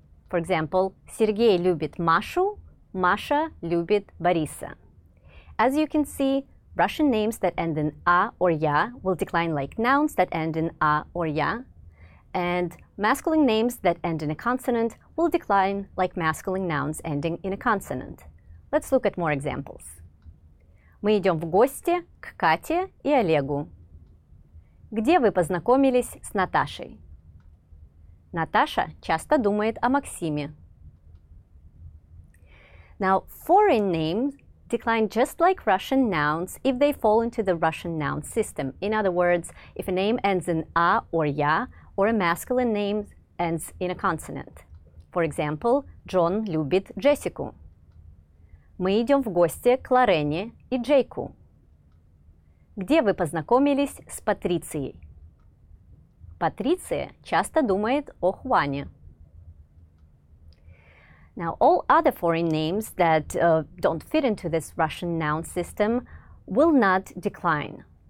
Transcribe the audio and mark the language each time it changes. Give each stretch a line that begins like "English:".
English: For example,
Russian: Сергей любит Машу, Маша любит Бориса.
English: As you can see, Russian names that end in A or Я will decline like nouns that end in A or Я, and masculine names that end in a consonant will decline like masculine nouns ending in a consonant. Let's look at more examples.
Russian: Мы идем в гости к Кате и Олегу. Где вы познакомились с Наташей? Наташа часто думает о Максиме.
English: Now, foreign names decline just like Russian nouns if they fall into the Russian noun system. In other words, if a name ends in A or Я, or a masculine name ends in a consonant. For example, John
Russian: любит Джессику. Мы идем в гости к Лорене и Джейку. Где вы познакомились с Патрицией? Патриция часто думает о Хуане.
English: Now, all other foreign names that don't fit into this Russian noun system will not decline.